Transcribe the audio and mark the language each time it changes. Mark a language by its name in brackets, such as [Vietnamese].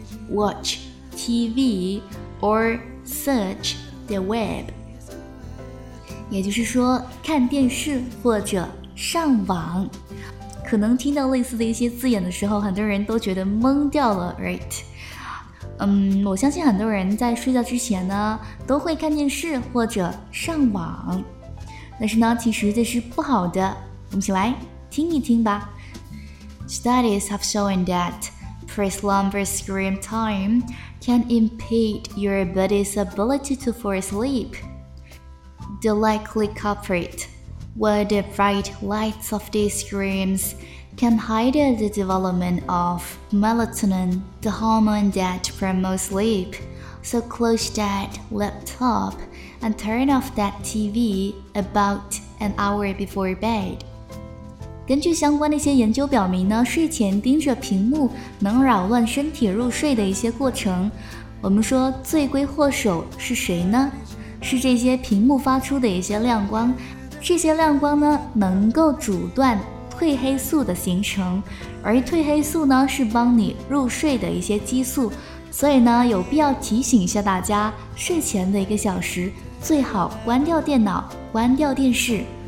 [English] Watch TV or search the web， [Chinese] 也就是说看电视或者上网。可能听到类似的一些字眼的时候，很多人都觉得懵掉了 right？我相信很多人在睡觉之前呢都会看电视或者上网，但是呢其实这是不好的。我们一起来听一听吧。 [English] Studies have shown that pre-slumber screen time can impede your body's ability to fall asleepThe likely culprit were the bright lights of these screens can hide the development of melatonin, the hormone that promotes sleep. So close that laptop and turn off that TV about an hour before bed. [Chinese] 根据相关的一些研究表明呢，睡前盯着屏幕能扰乱身体入睡的一些过程。我们说罪魁祸首是谁呢？是这些屏幕发出的一些亮光，这些亮光呢能够阻断褪黑素的形成，而褪黑素呢是帮你入睡的一些激素，所以呢有必要提醒一下大家，睡前的一个小时最好关掉电脑，关掉电视。